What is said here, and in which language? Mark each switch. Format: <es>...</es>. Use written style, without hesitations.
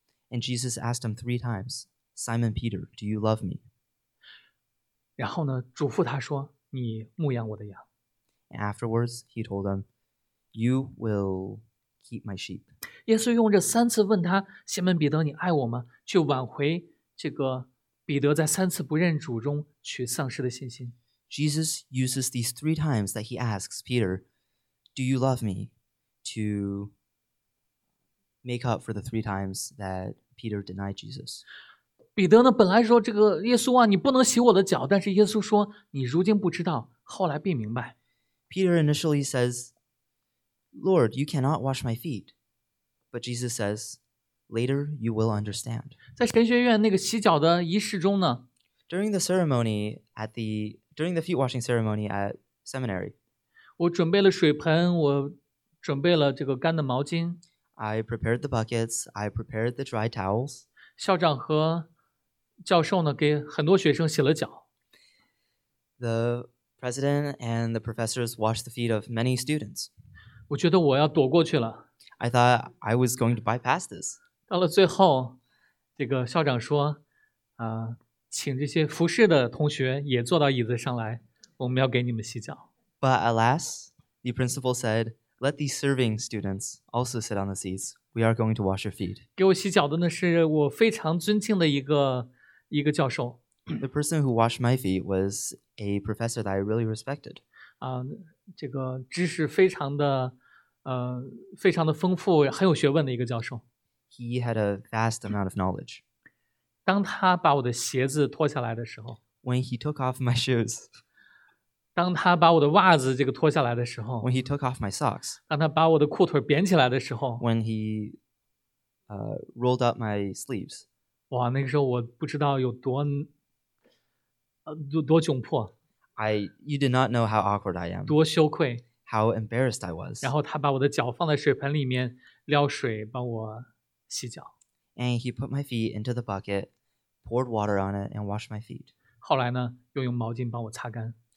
<en>？”And Jesus asked him three times, "Simon Peter, do you love me?"</en> <zh>然后呢，嘱咐他说：“你牧养我的羊。”</zh> <en>Afterwards, he told them, "You will keep my sheep.</en> <zh>耶稣用这三次问他西门彼得你爱我吗去挽回这个彼得在三次不认主中去丧失的信心。</zh> <en>Jesus uses these three times that he asks Peter, do you love me? To make up for the three times that Peter denied Jesus.</en> <zh>彼得呢本来说这个耶稣啊你不能洗我的脚但是耶稣说你如今不知道后来便明白。</zh> <en>Peter initially says, Lord, you cannot wash my feet. But Jesus says, later you will understand.</en> <zh>在神学院那个洗脚的仪式中呢</zh> <en>during the feet washing ceremony at seminary,</en> <zh>我准备了水盆我准备了这个干的毛巾。</zh> <en>I prepared the buckets, I prepared the dry towels.</en> <zh>校长和教授呢给很多学生洗了脚。</zh> <en>The president and the professors washed the feet of many students.</en> <zh>我觉得我要躲过去了。</zh> <en>I thought I was going to bypass this.</en> <zh>到了最后这个校长说啊、请这些服侍的同学也坐到椅子上来我们要给你们洗脚。</zh> <en>But alas, the principal said,Let these serving students also sit on the seats. We are going to wash your feet.</en> <zh>给我洗脚的呢是我非常尊敬的一个教授。</zh> <en>The person who washed my feet was a professor that I really respected.</en> <zh>啊、这个知识非常的非常的丰富很有学问的一个教授。</zh> <en>He had a vast amount of knowledge.</en> <zh>当他把我的鞋子脱下来的时候。</zh> <en>When he took off my shoes.</en> <zh>当他把我的袜子这个脱下来的时候</zh> <en>When he took off my socks.</en> <zh>当他把我的裤腿扁起来的时候</zh> <en>When he rolled up my sleeves.</en> <zh>哇那个时候我不知道有多多窘迫</zh> <en>You did not know how awkward I am.</en> <zh>多羞愧</zh> <en>How embarrassed I was.</en> <zh>然后他把我的脚放在水盆里面撩水帮我洗脚</zh> <en>And he put my feet into the bucket, poured water on it, and washed my feet.</en> <zh>后来呢又用毛巾帮我擦干</zh>